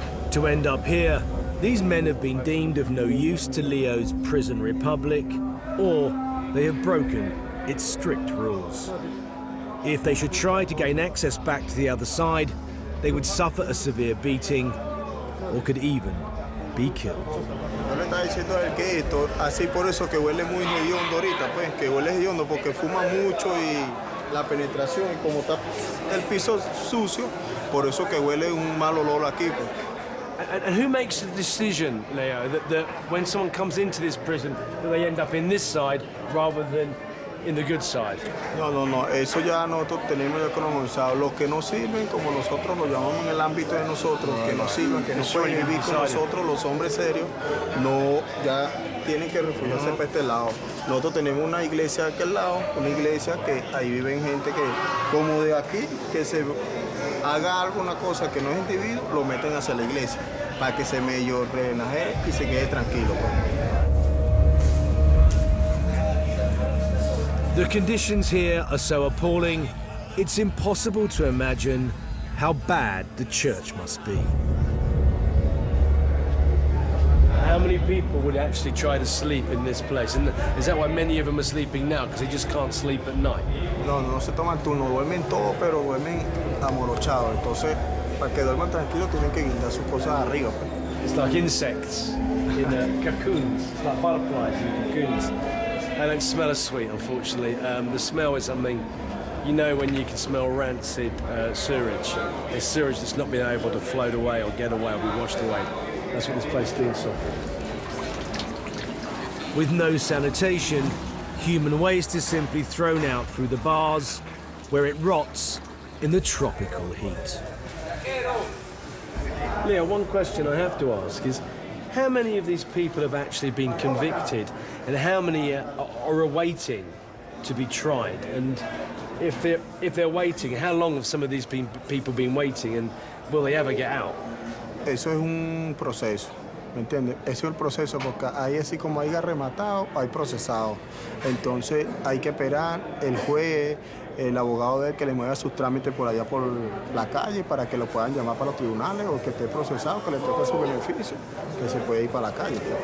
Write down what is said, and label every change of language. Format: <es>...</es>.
<en>To end up here, these men have been deemed of no use to Leo's prison republic, or they have broken its strict rules. If they should try to gain access back to the other side, they would suffer a severe beating or could even be killed.</en> <es>Está diciendo el que esto, así por eso que huele muy hediondo ahorita, pues, que huele hediondo porque fuma mucho y la penetración, y como está el piso sucio, por eso que huele un mal olor aquí, pues.</es> <en>And who makes the decision, Leo, that when someone comes into this prison, that they end up in this side rather than in the good side?</en> <es>No, eso ya nosotros tenemos economizado. Los que no sirven, como nosotros lo llamamos en el ámbito de nosotros, que no sirven, que no pueden vivir con nosotros, los hombres serios, no, ya tienen que refugiarse para este lado. Nosotros tenemos una iglesia de aquel lado, una iglesia que ahí viven gente que, como de aquí, que se haga alguna cosa que no es individuo, lo meten hacia la iglesia, para que se mejor renaje y se quede tranquilo.</es> <en>The conditions here are so appalling, it's impossible to imagine how bad the church must be. How many people would actually try to sleep in this place? And is that why many of them are sleeping now? Because they just can't sleep at night?</en> <es>No, se toman turno, duermen todo, pero duermen amorochado. Entonces, para que duerman tranquilo, tienen que guindar sus cosas arriba.</es> <en>It's like insects in cocoons, it's like butterflies in cocoons. And it smells sweet, unfortunately. The smell is something, you know, when you can smell rancid sewage. It's sewage that's not been able to float away or get away or be washed away. That's what this place deals with. With no sanitation, Human waste is simply thrown out through the bars, where it rots in the tropical heat. Leo, one question I have to ask is, how many of these people have actually been convicted, and how many are awaiting to be tried? And if they're waiting, how long have some of these people been waiting, and will they ever get out?</en> <es>Eso es un proceso, ¿me entiendes? Eso es el proceso, porque ahí así como hay arrematado, hay procesado. Entonces hay que esperar el juez, el abogado de él, que le mueva sus trámites por allá por la calle para que lo puedan llamar para los tribunales o que esté procesado, que le toque su beneficio, que se puede ir para la calle.</es>